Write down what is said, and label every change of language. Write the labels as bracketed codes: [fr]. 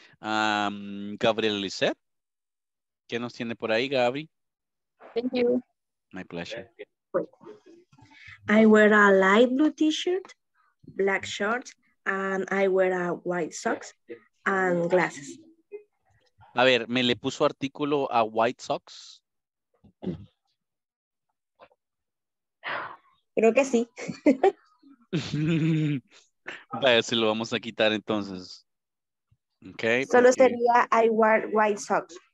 [es] Gabriel Lisset, ¿qué nos tiene por ahí, Gabri? [en] Thank you. My pleasure. I wear a light blue t-shirt, black shorts, and I wear a white socks and glasses. [es] A ver, ¿me le puso artículo a [en] white socks? [es] Creo que sí. Vaya, se lo vamos a quitar entonces. Okay, solo porque... sería [en] I wear white socks.